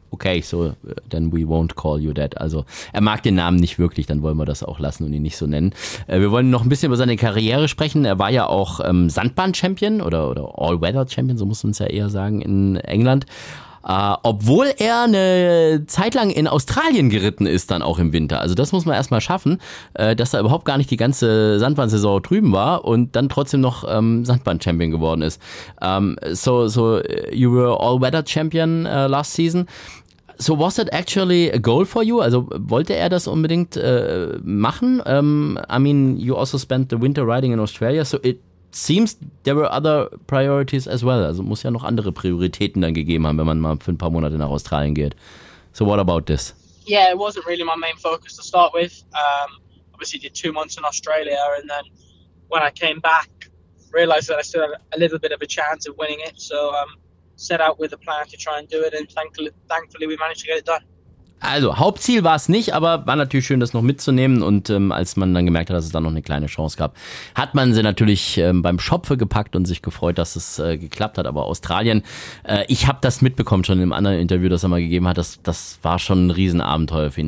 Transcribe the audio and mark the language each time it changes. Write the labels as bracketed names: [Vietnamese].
[English] Okay, so then we won't call you that. [German] Also er mag den Namen nicht wirklich, dann wollen wir das auch lassen und ihn nicht so nennen. Wir wollen noch ein bisschen über seine Karriere sprechen. Er war ja auch Sandbahn-Champion oder All-Weather-Champion, so muss man es ja eher sagen, in England. Obwohl er eine Zeit lang in Australien geritten ist, dann auch im Winter. Also das muss man erstmal schaffen, dass er überhaupt gar nicht die ganze Sandbahnsaison drüben war und dann trotzdem noch Sandbahn-Champion geworden ist. [English] You were All-Weather-Champion last season. So was that actually a goal for you? [German] Also wollte er das unbedingt machen? [English] You also spent the winter riding in Australia, so it seems there were other priorities as well. [German] Also muss ja noch andere Prioritäten dann gegeben haben, wenn man mal für ein paar Monate nach Australien geht. [English] So what about this? Yeah, it wasn't really my main focus to start with. Obviously did 2 months in Australia and then when I came back, realized that I still had a little bit of a chance of winning it. So set out with a plan to try and do it and thankfully we managed to get it done. [German] Also Hauptziel war es nicht, aber war natürlich schön, das noch mitzunehmen und als man dann gemerkt hat, dass es da noch eine kleine Chance gab, hat man sie natürlich beim Schopfe gepackt und sich gefreut, dass es geklappt hat. Aber Australien, ich habe das mitbekommen schon im anderen Interview, das er mal gegeben hat, das war schon ein Riesenabenteuer für ihn.